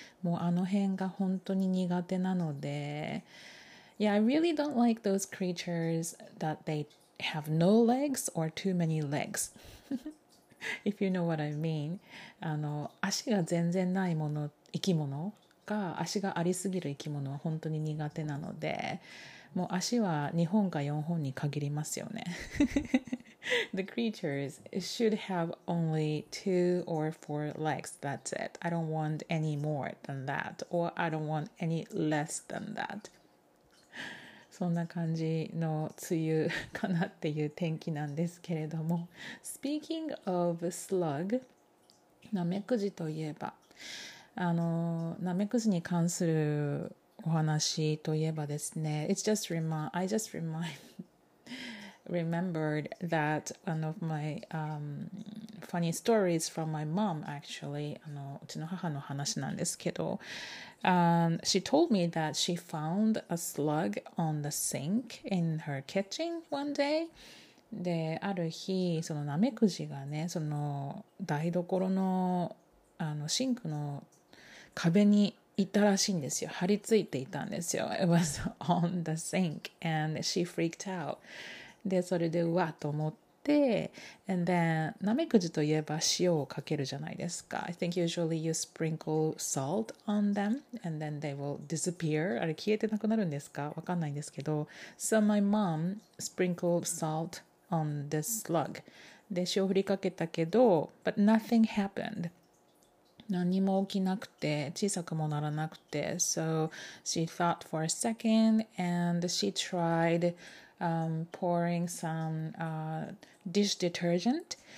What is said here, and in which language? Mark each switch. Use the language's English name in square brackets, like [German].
[Japanese] もうあの辺が本当に苦手なので。 [English] Yeah, I really don't like those creatures that they have no legs or too many legs. If you know what I mean. [Japanese] 足が全然ないもの生き物が足がありすぎる生き物は本当に苦手なのでもう足は2本か4本に限りますよね。 [English] The creatures should have only 2 or 4 legs. That's it. I don't want any more than that. Or I don't want any less than that. [Japanese] そんな感じの梅雨かなっていう天気なんですけれども [English] Speaking of slug, [Japanese] ナメクジといえばナメクジに関するお話といえばですね [English] I just remembered that one of my funny stories from my mom actually [Japanese] うちの母の話なんですけど [English] She told me that she found a slug on the sink in her kitchen one day [Japanese] で、ある日そのナメクジがねその台所のシンクの壁にいたらしいんですよ。張り付いていたんですよ。 [English] It was on the sink and she freaked out. [Japanese] で、それでうわと思って [English] And then, [Japanese] ナメクジといえば塩をかけるじゃないですか。 [English] I think usually you sprinkle salt on them and then they will disappear. [Japanese] あれ消えてなくなるんですか？わかんないんですけど。 [English] So my mom sprinkled salt on this slug. [Japanese] で、塩振りかけたけど [English] But nothing happened. [Japanese] 何も起きなくて、小さくもならなくて。 [English] So she thought for a second and she tried pouring some dish detergent.